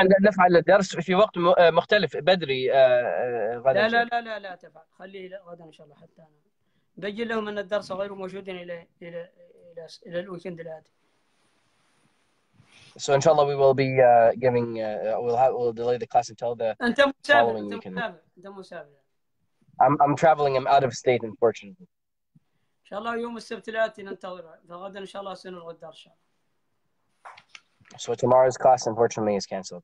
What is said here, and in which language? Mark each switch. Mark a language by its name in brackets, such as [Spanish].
[Arabic] أن نفعل الدرس في وقت مختلف بدري غدا. لا لا لا لا تفعل. خليه غدا إن شاء الله حتى أنا. بيجي لهم أن الدرس غير موجود إلى إلى إلى إلى الويكند الآتي. [English] So inshallah we will be giving we'll delay the class until the following weekend. [Arabic] أنت مسافر. [English] I'm traveling. I'm out of state, unfortunately. [Arabic] إن شاء الله يوم السبت الآتي ننتظر فغدا إن شاء الله سنلغي الدرس. [English] So tomorrow's class unfortunately is cancelled.